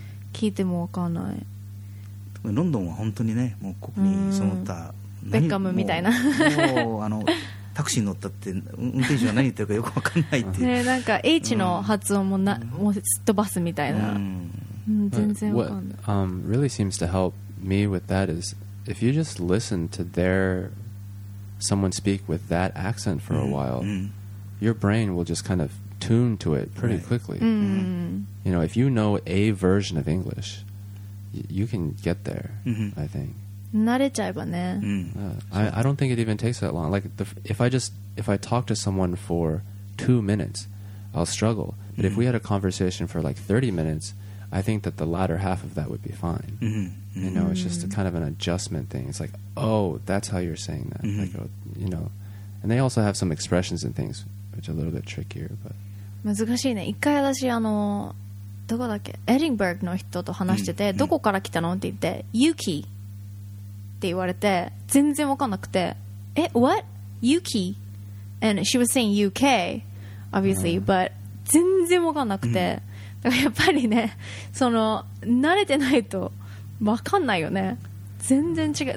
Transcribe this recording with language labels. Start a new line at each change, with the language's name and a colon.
Japanese: 聞いても分かんない。ロンドンは本当にね、もう国にその他、うん、ベッカムみたいな。もうあのタクシーに乗ったって運転手は何言ってるかよく分かんないっていう。ね、なんか H の発音もな、うん、もうすっ飛ばすみたいな。うん、全然分かんない。
English: What really seems to help me with that is if you just listen to their someone speak with that accent for a while,、うん、 your brain will just kind of. Tune to it pretty quickly. Right. Mm-hmm. You know, if you know a version of English, you can get there. Mm-hmm. I think.
Japanese: 慣れちゃえばね。
English: I don't think it even takes that long. Like if I talk to someone for 2 minutes, I'll struggle. But mm-hmm. if we had a conversation for like 30 minutes, I think that the latter half of that would be fine. Mm-hmm. You know, it's just a kind of an adjustment thing. It's like, oh, that's how you're saying that. Mm-hmm. Like, you know, and they also have some expressions and things. A little bit trickier, but
Japanese: 難しいね。一回私あのどこだっけ、エディンバーグの人と話してて、うん、どこから来たのって言って、ユキって言われて、全然分かんなくて、え、What? ユキ？
English: And she was saying UK, obviously,、
Japanese: うん、but 全然分かんなくて、うん、だからやっぱりね、その慣れてないと分かんないよね。全然違う。